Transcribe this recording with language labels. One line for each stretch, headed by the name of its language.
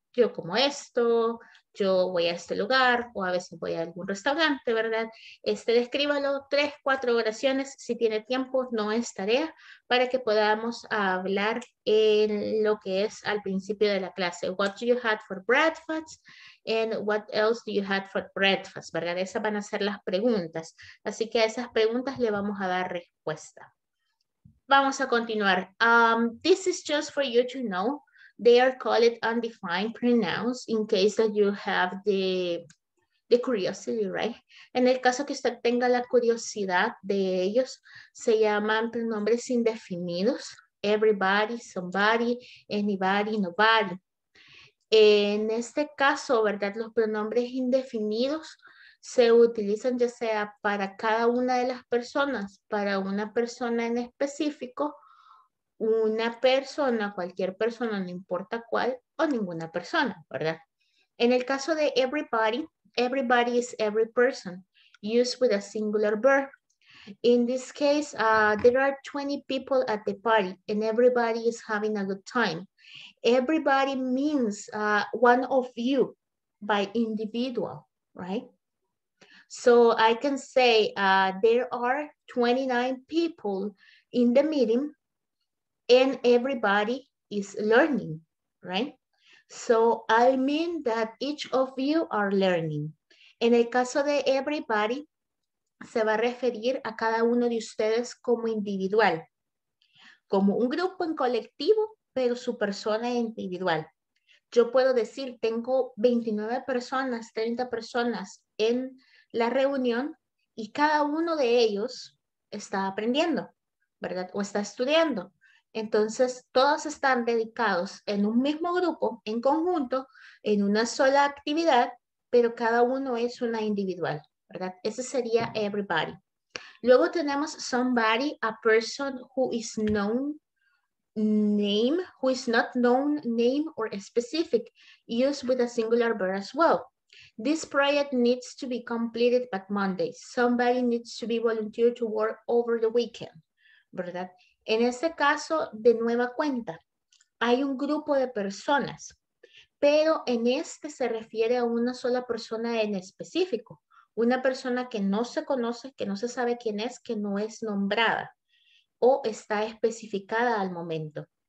Spanish: Yo como esto, yo voy a este lugar, o a veces voy a algún restaurante, ¿verdad? Descríbalo, 3-4 oraciones, si tiene tiempo, no es tarea, para que podamos hablar en lo que es al principio de la clase.
English: What do you have for breakfast? And what else do you have for breakfast?
Spanish: ¿Verdad? Esas van a ser las preguntas. Así que a esas preguntas le vamos a dar respuesta. Vamos a continuar.
English: This is just for you to know. They are called undefined pronouns in case that you have the curiosity, right?
Spanish: En el caso que usted tenga la curiosidad de ellos, se llaman pronombres indefinidos.
English: Everybody, somebody, anybody, nobody.
Spanish: En este caso, ¿verdad? Los pronombres indefinidos se utilizan ya sea para cada una de las personas, para una persona en específico, una persona, cualquier persona, no importa cuál, o ninguna persona, ¿verdad? En el caso de
English: everybody, everybody is every person, used with a singular verb. In this case, there are 20 people at the party and everybody is having a good time. Everybody means one of you by individual, right? So I can say there are 29 people in the meeting and everybody is learning, right? So I mean that each of you are learning.
Spanish: En el caso de everybody, se va a referir a cada uno de ustedes como individual, como un grupo en colectivo, pero su persona individual. Yo puedo decir, tengo 29 personas, 30 personas en la reunión y cada uno de ellos está aprendiendo, ¿verdad? O está estudiando. Entonces, todos están dedicados en un mismo grupo, en conjunto, en una sola actividad, pero cada uno es una individual, ¿verdad? Ese sería everybody. Luego tenemos
English: somebody, a person who is known, name, who is not known, name, or specific, used with a singular verb as well. This project needs to be completed by Monday. Somebody needs to be volunteered to work over the weekend,
Spanish: ¿verdad? En ese caso, de nueva cuenta, hay un grupo de personas, pero en este se refiere a una sola persona en específico, una persona que no se conoce, que no se sabe quién es, que no es nombrada o está especificada al momento.